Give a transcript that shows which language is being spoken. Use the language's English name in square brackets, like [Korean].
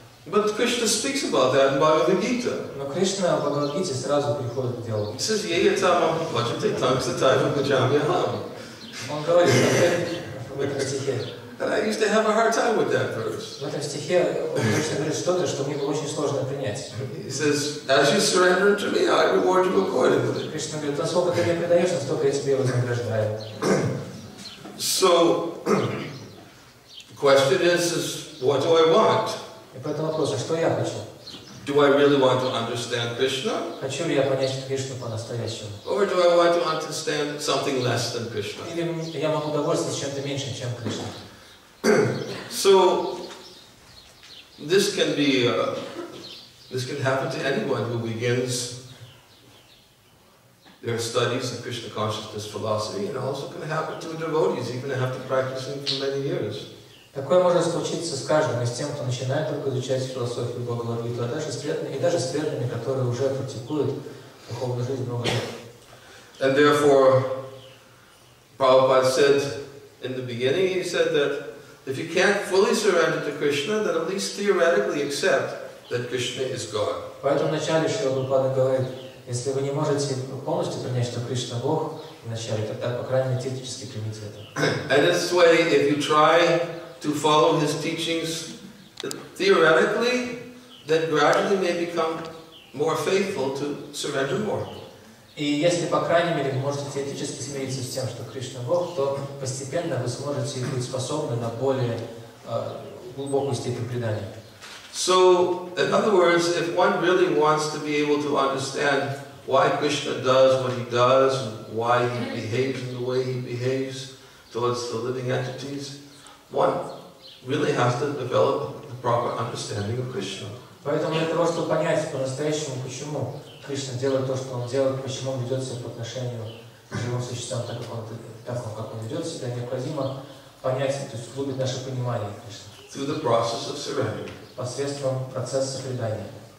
[English] But Krishna speaks about that in Bhagavad Gita. [Russian] Но Кришна в Бхагавад Гите сразу приходит к делу. [English] He says, [Sanskrit] "Yeyatam bhajate tamsatayam bhajamyaham." [Russian] Он говорит в этом стихе. [English] And I used to have a hard time with that verse. [Russian] В этом стихе Кришна говорит что-то, что мне было очень сложно принять. [English] He says, "As you surrender to me, I reward you accordingly." [Russian] Кришна говорит, насколько ты мне предаешь, настолько я тебе вознаграждаю. [English] So, the question is, what do I want? [Russian] И поэтому вопрос, что я хочу? [English] Do I really want to understand Krishna? [Russian] Хочу ли я понять Кришну по-настоящему? [English] Or do I want to understand something less than Krishna? [Russian] Или я могу довольствоваться чем-то меньше, чем Кришна? [English] So, this can be, this can happen to anyone who begins their studies of Krishna consciousness philosophy, and also can happen to devotees, even after practicing for many years. [Russian] Такое может случиться с каждым, и с тем, кто начинает только изучать философию Бхагавад-гиту, а даже с преданными, и даже с преданными, которые уже практикуют духовную жизнь много лет. [English] And therefore, Prabhupada said in the beginning, he said that if you can't fully surrender to Krishna, then at least theoretically accept that Krishna is God. [Russian] Поэтому вначале Шри Прабхупада говорит, если вы не можете полностью принять, что Кришна Бог, вначале, тогда, по крайней мере, теоретически примите это. [English] And in this way, if you try to follow his teachings theoretically, then gradually may become more faithful to surrender more. [Russian] И если, по крайней мере, вы можете теоретически смириться с тем, что Кришна Бог, то постепенно вы сможете быть способны на более глубокую степень предания. [English] So, in other words, if one really wants to be able to understand why Krishna does what he does, why he behaves in the way he behaves towards the living entities, one really has to develop the proper understanding of Krishna. [Russian] Поэтому для того, чтобы понять по-настоящему, почему Кришна делает то, что он делает, почему он ведет себя по отношению к живым существам так, как он ведет себя, необходимо понять, то есть углубить наше понимание Кришны. [English] Through the process of surrender. [Russian] Посредством процесса предания.